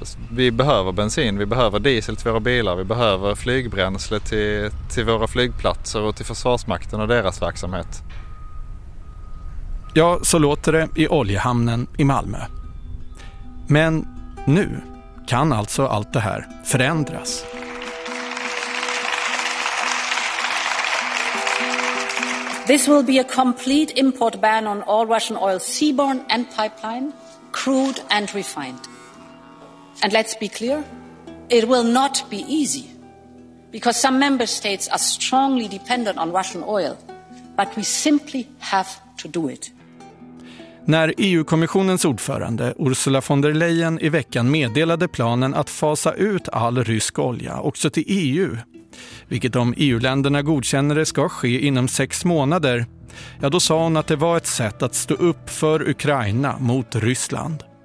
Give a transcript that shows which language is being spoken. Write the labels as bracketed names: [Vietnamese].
[Swedish] Vi behöver bensin, vi behöver diesel till våra bilar, vi behöver flygbränsle till våra flygplatser och till Försvarsmakten och deras verksamhet. Ja, så låter det i oljehamnen i Malmö. Men nu kan alltså allt det här förändras. [English] This will be a complete import ban on all Russian oil seaborne and pipeline, crude and refined. And let's be clear, it will not be easy, because some member states are strongly dependent on Russian oil, but we simply have to do it. [Swedish] När EU-kommissionens ordförande Ursula von der Leyen i veckan meddelade planen att fasa ut all rysk olja också till EU, vilket om EU-länderna godkänner det ska ske inom 6 månader, ja, då sa hon att det var ett sätt att stå upp för Ukraina mot Ryssland.